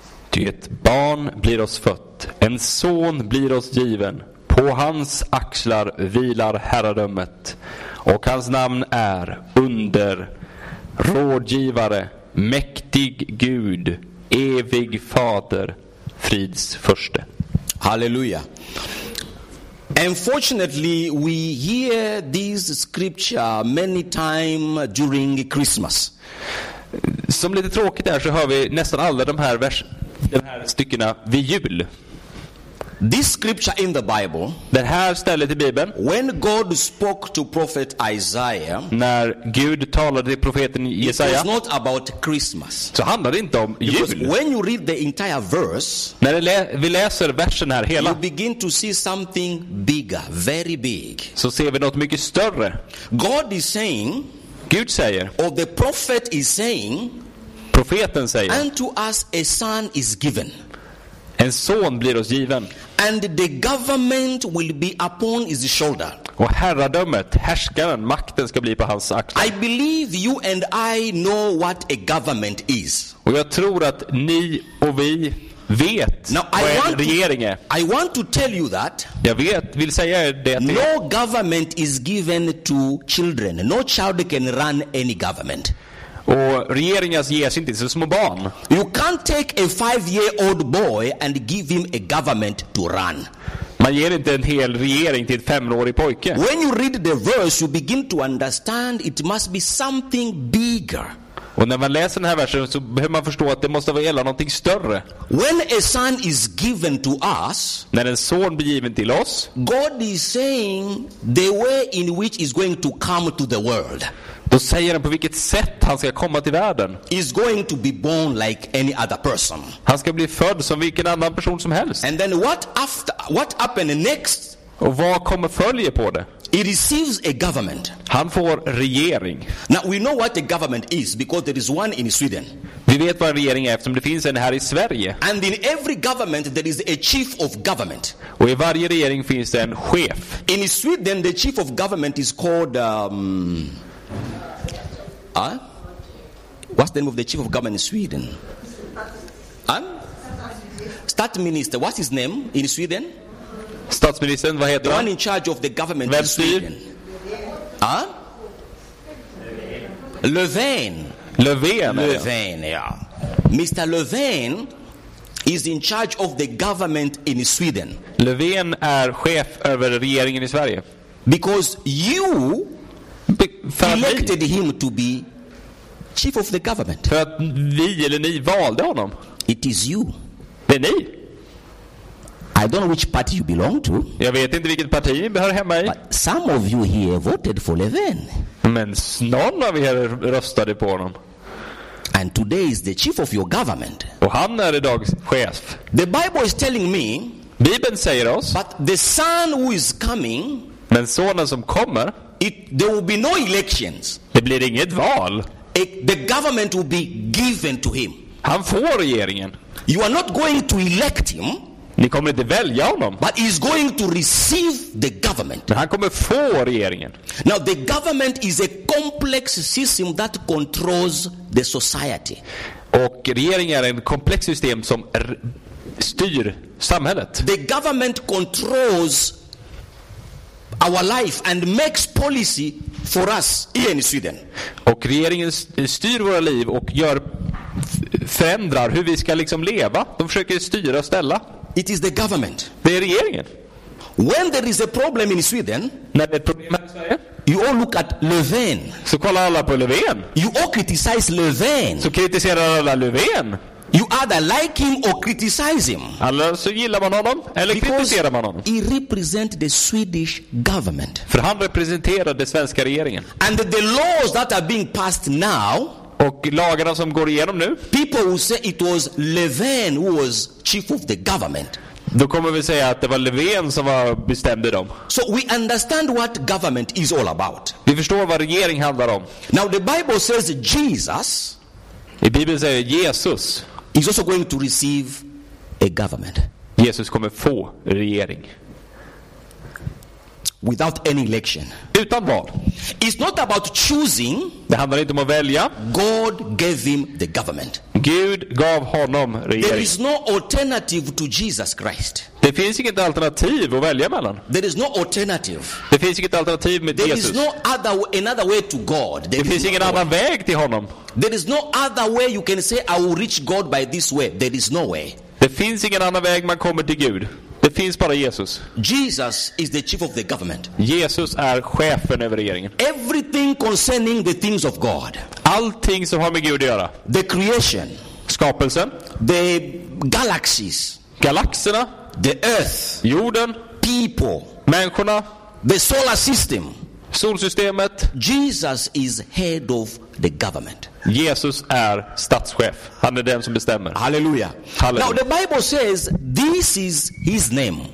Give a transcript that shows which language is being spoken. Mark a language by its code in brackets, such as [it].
[sv] Ty ett barn blir oss fött, en son blir oss given. På hans axlar vilar herradömet, och hans namn är Under, Rådgivare, Mäktig Gud, Evig Fader, Frids Förste. Halleluja. [en] Unfortunately, we hear this scripture many times during Christmas. [sv] Som lite tråkigt är så hör vi nästan alla de här styckena vid jul. [en] This scripture in the Bible. [sv] Det här stället i Bibeln. [en] When God spoke to prophet Isaiah. [sv] När Gud talade till profeten Jesaja. [en] It was not about Christmas. [sv] Så handlar det inte om jul. [en] Because when you read the entire verse. [sv] När vi läser versen här hela. [en] You begin to see something bigger, very big. [sv] Så ser vi något mycket större. [en] God is saying. [sv] Gud säger. [en] Or the prophet is saying. [sv] Profeten säger. [en] And to us a son is given. [sv] En son blir oss given. [en] And the government will be upon his shoulder. [sv] Och herradömet, härskaren, makten ska bli på hans axlar. [en] I believe you and I know what a government is. [sv] Och jag tror att ni och vi vet [en] now, [sv] vad en regering är. [en] I want to tell you that. [sv] Jag vill säga det till no er. [en] Government is given to children. No child can run any government. [sv] Och regeringens ges inte till små barn. [en] You can't take a 5-year-old boy and give him a government to run. [sv] Man ger inte en hel regering till ett 5-årig pojke. [en] When you read the verse you begin to understand it must be something bigger. [sv] Och när man läser den här versen så behöver man förstå att det måste vara gälla någonting större. [en] When a son is given to us, [sv] när en son blir given till oss, [en] God is saying the way in which is going to come to the world. [sv] Då säger han på vilket sätt han ska komma till världen. [en] Is going to be born like any other person. [sv] Han ska bli född som vilken annan person som helst. [en] And then what happened next? [sv] Och vad kommer följa på det? [en] He receives a government. [sv] Han får regering. [en] Now we know what a government is because there is one in Sweden. [sv] Vi vet vad en regering är eftersom det finns en här i Sverige. [en] And in every government there is a chief of government. [sv] Och i varje regering finns det en chef. [en] In Sweden the chief of government is called what's the name of the chief of government in Sweden? Statsminister. What's his name in Sweden? [sv] Statsministern, vad heter [en] the one in charge of the government [sv] Vem [en] in Sweden. Löfven. Löfven. [sv] Löfven, ja. Mr. [en] Löfven is in charge of the government in Sweden. [sv] Löfven är chef över regeringen i Sverige. [en] Because you elected him to be chief of the government. [sv] För att vi eller ni valde honom. [en] It is you. [sv] Det är ni. [en] I don't know which party you belong to. [sv] Jag vet inte vilket parti ni hör hemma i. [en] But some of you here voted for Levin. [sv] Men någon av er röstade på honom. [en] And today is the chief of your government. [sv] Och han är idag chef. [en] The Bible is telling me. [sv] Bibeln säger oss. [en] But the son who is coming. [sv] Men sonen som kommer, [en] there will be no elections. [sv] Det blir inget val. [en] The government will be given to him. [sv] Han får regeringen. [en] You are not going to elect him. [sv] Ni kommer inte välja honom. [en] But he is going to receive the government. [sv] Men han kommer få regeringen. [en] Now the government is a complex system that controls the society. [sv] Och regeringen är ett komplext system som styr samhället. [en] The government controls our life and makes policy for us here in Sweden. [sv] Och regeringen styr våra liv och förändrar hur vi ska liksom leva. De försöker styra och ställa. [en] It is the government. [sv] Det är regeringen. [en] When there is a problem in Sweden, [sv] när det är problem i Sverige, [en] you all look at Löfven. [sv] Så kollar alla på Löfven. [en] You all criticize Löfven. [sv] Så kritiserar alla Löfven. [en] You either like him or criticize him. [sv] Alla, så gillar man honom eller kritiserar man honom. [en] He represent the Swedish government. [sv] För han representerar den svenska regeringen. [en] And the laws that are being passed now, [sv] och lagarna som går igenom nu. [en] People will say it was Löfven who was chief of the government. [sv] Då kommer vi säga att det var Löfven som var bestämde dem. [en] So we understand what government is all about. [sv] Vi förstår vad regering handlar om. [en] Now the Bible says Jesus. [sv] I Bibeln säger Jesus. [en] Is also going to receive a government. [sv] Jesus kommer få regering. [en] Without any election. [sv] Utan val. [en] It's not about choosing. [sv] Det handlar inte om att välja. [en] God gave him the government. [sv] Gud gav honom regering. [en] There is no alternative to Jesus Christ. [sv] Det finns inget alternativ att välja mellan. [en] There is no alternative. [sv] Det finns inget alternativ med [en] There Jesus. There is no other another way to God. [sv] Det finns ingen annan väg till honom. [en] There is no other way you can say I will reach God by this way. There is no way. [sv] Det finns ingen annan väg man kommer till Gud. Det finns bara Jesus. [en] Jesus is the chief of the government. [sv] Jesus är chefen över regeringen. [en] Everything concerning the things of God. [sv] Allting som har med Gud att göra. [en] The creation. [sv] Skapelsen. [en] The galaxies. [sv] Galaxerna. [en] The earth. [sv] Jorden. [en] People. [sv] Människorna. [en] The solar system. [sv] Solsystemet. [en] Jesus is head of the government. [sv] Jesus är statschef. Han är den som bestämmer. Halleluja. Halleluja. [en] Now the Bible says this is his name.